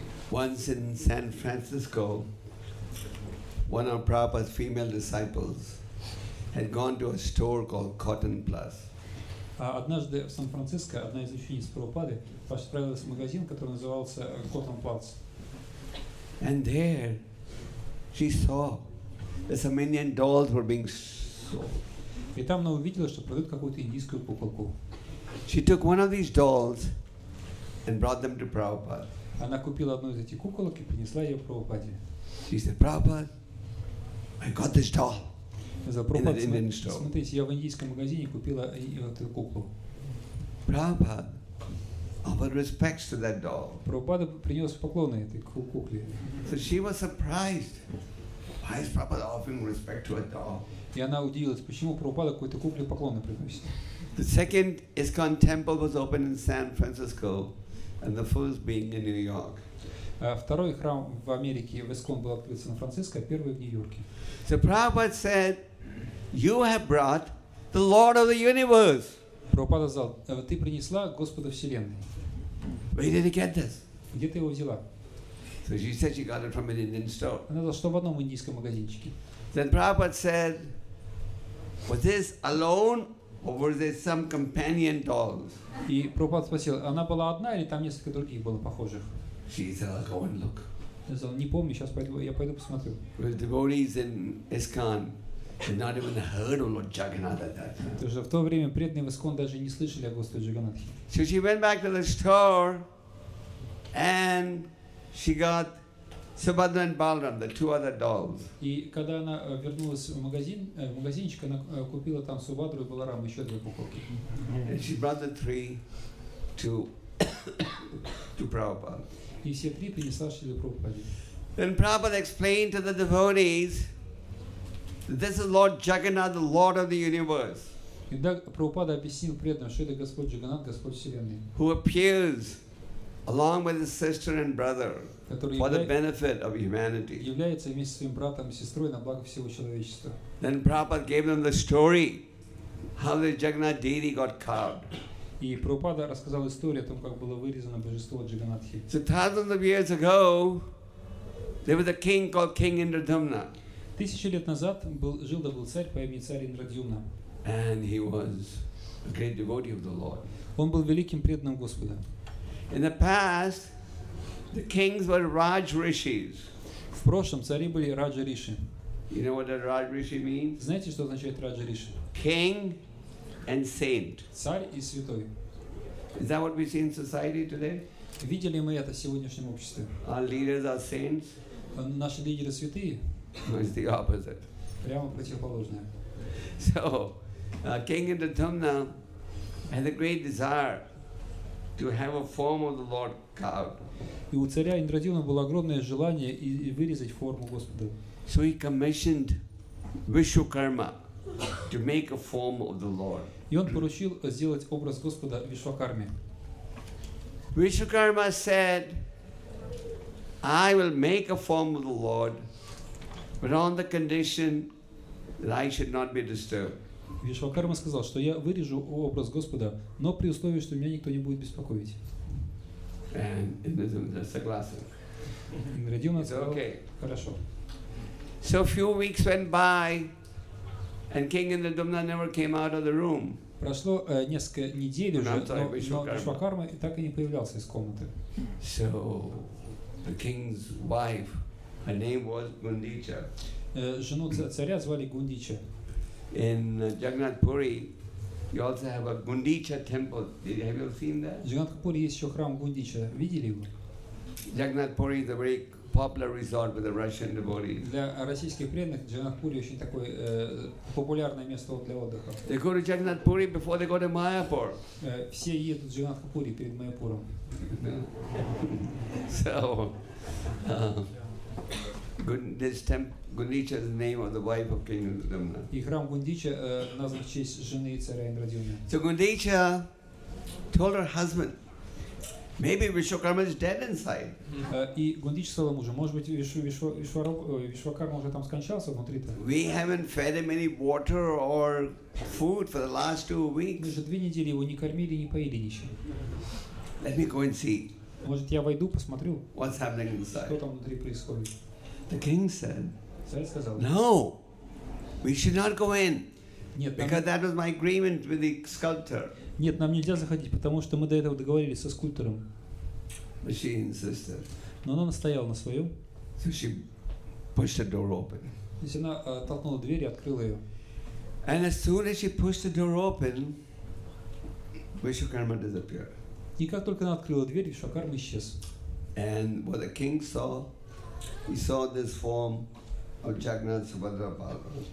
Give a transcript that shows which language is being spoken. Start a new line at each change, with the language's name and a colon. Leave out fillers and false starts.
English: Once in San Francisco, one of Prabhupada's female disciples had gone to a store called Cotton Plus.
Russian: Однажды в Сан-Франциско одна из учениц Прабхупады отправилась в магазин, который назывался Cotton Plus.
English: And there, she saw that some Indian dolls were being sold.
Russian: И там она увидела, что продают какую-то индийскую куколку.
English: She took one of these dolls and brought them to Prabhupada.
Russian: Она купила одну из этих куколок и принесла ее Прабхупаде.
English: She said, Prabhupada, I got this doll.
Russian: Смотрите, я в индийском магазине купила эту куклу.
English: Prabhupada offered respects to that doll.
Russian: Прабхупада принес поклоны этой кукле.
English: So she was surprised. Why is Prabhupada offering respect to a doll?
Russian: И она удивилась, почему Прабхупада какой-то кукле поклоны приносит.
English: The second ISKCON temple was opened in San Francisco, and the first being in New York.
Russian: Второй храм в Америке в ИСККОН был открыт в Сан-Франциско, первый в Нью-Йорке.
English: So Prabhupada said, "You have brought the Lord of the Universe."
Russian: Прабхупада сказал, ты принесла Господа Вселенной.
English: Where did you get this?
Russian: Где ты его взяла?
English: So she said she got it from an Indian store.
Russian: Она сказала, что в одном индийском магазинчике.
English: Then Prabhupada said, "Was this alone, or were there some companion dolls?"
Russian: И Прабхупада спросил, она была одна или там несколько других было похожих?
English: She said, "I'll go and look."
Russian: Я сказал, не помню, сейчас пойду, я пойду посмотрю.
English: Well, the devotees in ISKCON had not even heard of Lord Jagannath at that time.
Russian: Тоже в то время преданные в ИСККОН даже не слышали о Господе Джаганнатхе.
English: So she went back to the store, and she got Subhadra and Balaram, the two other dolls.
Russian: И когда она вернулась в магазин, в магазинчик, она купила там Субхадру и Баларам, еще две куколки.
English: And she brought the three to Prabhupada.
Russian: И все три принесла Шрила Прабхупаде.
English: Then Prabhupada explained to the devotees, "This is Lord Jagannath, the Lord of the Universe."
Russian: И так Прабхупада объяснил преданным, что это Господь Джаганнат, Господь Вселенной.
English: Who appears along with his sister and brother for the benefit of humanity.
Russian: Является вместе с своим братом и сестрой на благо всего человечества.
English: Then Prabhupada gave them the story how the Jagannath deity got carved.
Russian: И Прабхупада рассказал историю о том, как было вырезано божество Джаганнатхи.
English: So thousands of years ago, there was a king called King Indradyumna.
Russian: Тысячу лет назад жил-был царь по имени царь Индрадьюмна.
English: And he was a great devotee of the Lord.
Russian: Он был великим преданным Господа.
English: In the past, the kings were Raj Rishis.
Russian: В прошлом цари были Раджа Риши.
English: You know what a Raj Rishi means?
Russian: Знаете, что означает Раджа Риши?
English: King and saint.
Russian: Царь и святой.
English: Is that what we see in society today?
Russian: Видели мы это в сегодняшнем обществе?
English: Our leaders are saints.
Russian: Наши лидеры святые.
English: It's the opposite.
Russian: Прямо противоположное.
English: So, King Indradyumna had a great desire to have a form of the Lord carved.
Russian: И у царя Индрадьюмны было огромное желание и вырезать форму Господа.
English: So he commissioned Vishwakarma to make a form of the Lord.
Russian: И он поручил сделать образ Господа Вишвакарме.
English: Vishwakarma said, "I will make a form of the Lord, but on the condition that I should not be disturbed."
Russian: Вишвакарма сказал, что я вырежу образ Господа, но при условии, что меня никто не будет беспокоить.
English: And Indradyumna
Russian: согласен. Индрадьюмна сказал,
English: okay.
Russian: Хорошо.
English: So a few weeks went by, and King Indradyumna never came out of the room.
Russian: Прошло несколько недель уже, но Вишвакарма так и не появлялся из комнаты.
English: So the king's wife, her name was Gundicha.
Russian: Жену царя звали Гундича.
English: In Jagannath Puri, you also have a Gundicha temple. Have you seen that?
Russian: Jagannath Puri есть еще храм Гундича. Видели его?
English: Jagannath Puri is a very popular resort with the Russian devotees.
Russian: Для российских преданных Jagannath Puri очень такое популярное место для отдыха.
English: They go to Jagannath Puri before they go to Mayapur.
Russian: Все едут в Jagannath Puri перед Майяпуром.
English: So, this temple. Gundicha is the name of the wife of King Indradyumna.
Russian: И храм Гундича назван в честь жены царя Индрадьюмны.
English: So Gundicha told her husband, Maybe Vishwakarma is dead inside.
Russian: И Гундичского мужа, может быть, Вишвакарма уже там скончался внутри.
English: We haven't fed him any water or food for the last 2 weeks.
Russian: Мы же 2 недели его не кормили, не поили ничем.
English: Let me go and see.
Russian: Может, я войду, посмотрю.
English: What's happening inside?
Russian: Что там внутри происходит?
English: The king said.
Russian: Царь сказал.
English: No, we should not go in.
Russian: Нет,
English: because that was my agreement with the sculptor.
Russian: Нет, нам нельзя заходить, потому что мы до этого договорились со скульптором.
English: She insisted.
Russian: Но она настояла на своем.
English: So she pushed the door open.
Russian: То есть она толкнула дверь и открыла ее.
English: And as soon as she pushed the door open, Vishwakarma disappeared.
Russian: И как только она открыла дверь, Вишвакарма исчез.
English: And what the king saw, he saw this form of Jagannath Subhadra Balaram.